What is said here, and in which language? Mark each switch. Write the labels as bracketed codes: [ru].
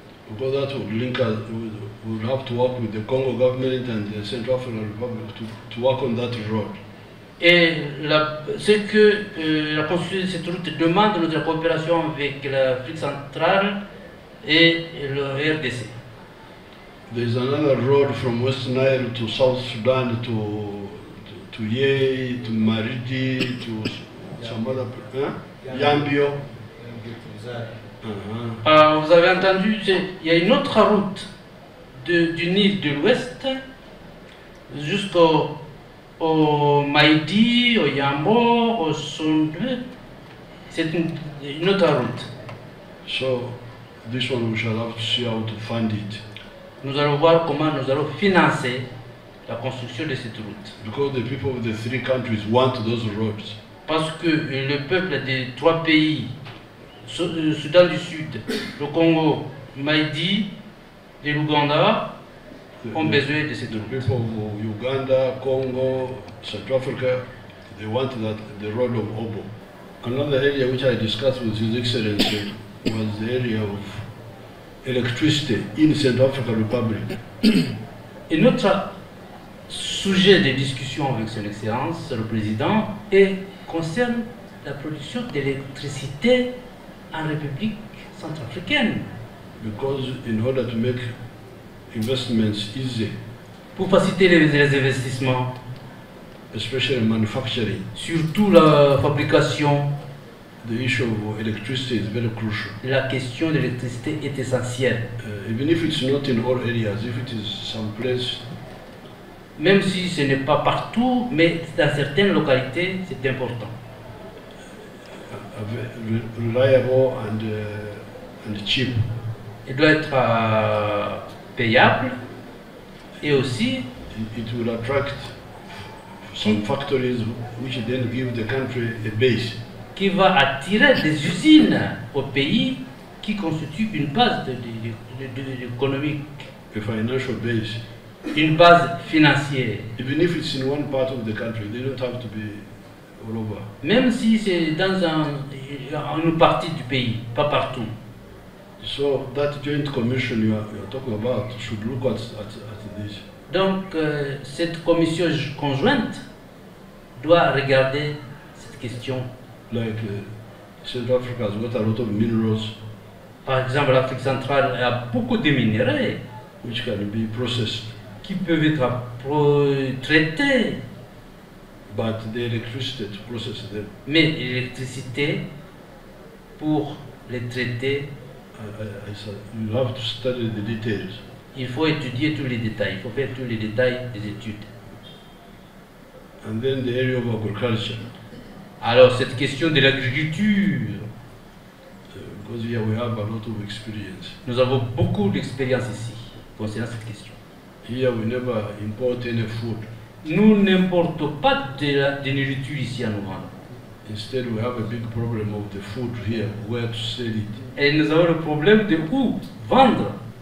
[en] Because that would link us, we'll have to work with the Congo government and the Central African Republic to work on that road. [fr] Et ce que la construction de cette route demande notre coopération avec l'Afrique centrale et le RDC. [en] There's another road from West Nile to South Sudan to Yei, to Maridi, to some other place. Yambio. [fr] Vous avez entendu, il y a une autre route du Nil de l'Ouest jusqu'au Maïdi, au Yambo, au Sundu. C'est une autre route. [en] So, this one we shall have to see how to fund it. [fr] Nous allons voir comment nous allons financer la construction de cette route. [en] Because the people of the three countries want those roads. [fr] Parce que le peuple des trois pays. Soudan du Sud, le Congo, Maïdi et l'Ouganda ont besoin de cette route. [en] The people of Uganda, Congo, South Africa, they want that the road of Obo. Another area which I discussed with His Excellency was the area of electricity in South African Republic. [fr] Un autre sujet de discussion avec Son Excellence, le Président, concerne la production d'électricité en République centrafricaine. [en] Because in order to make investments easy, [fr] pour faciliter les investissements, [en] especially manufacturing, [fr] surtout la fabrication, [en] the issue of electricity is very crucial. [fr] La question de l'électricité est essentielle. [en] Even if it's not in all areas, if it is some place, [fr] même si ce n'est pas partout, mais dans certaines localités, c'est important. [en] Reliable and cheap. [fr] Il doit être payable et aussi [en] it will attract some factories which then give the country a base. [fr] Qui va attirer des usines au pays qui constitue une base de économique. [en] A financial base. [fr] Une base financière. [en] Even if it's in one part of the country, they don't have to be all over. [fr] Même si c'est dans une partie du pays, pas partout. [en] So that joint commission you are talking about should look at this. [fr] Donc cette commission conjointe doit regarder cette question. [en] Like Central Africa has got a lot of minerals. [fr] Par exemple, l'Afrique centrale a beaucoup de minéraux. [en] Which can be processed. [fr] Qui peuvent être traités. [en] But the electricity to process them. [fr] Mais l'électricité pour les traiter. [en] I said, you have to study the details. [fr] Il faut étudier tous les détails. Il faut faire tous les détails des études. [en] And then the area of agriculture. [fr] Alors cette question de l'agriculture. [en] Because here we have a lot of experience. [fr] Nous avons beaucoup d'expérience ici concernant cette question. [en] Here we never import any food. [fr] Nous n'importons pas de nourriture ici à Rwanda. [en] Instead, we have a big problem of the food here, where to sell it. [fr] Et nous avons le problème de où vendre.